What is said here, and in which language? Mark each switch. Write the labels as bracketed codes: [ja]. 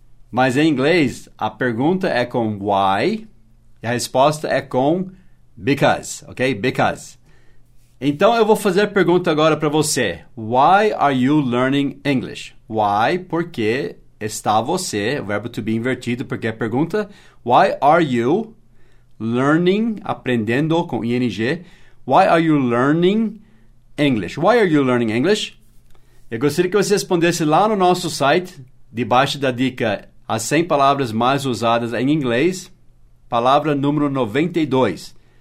[pt] Mas em inglês, a pergunta é com why e a resposta é com because, ok? Because. Então, eu vou fazer a pergunta agora para você. [en] Why are you learning English? [pt] Why, por que está você, o verbo to be invertido, porque é pergunta. [en] Why are you learning, [pt] aprendendo com ing, [en] why are you learning English. Why are you learning English? [pt] Eu gostaria que você respondesse lá no nosso site, debaixo da dica As 100 Palavras Mais Usadas em Inglês, palavra número 92.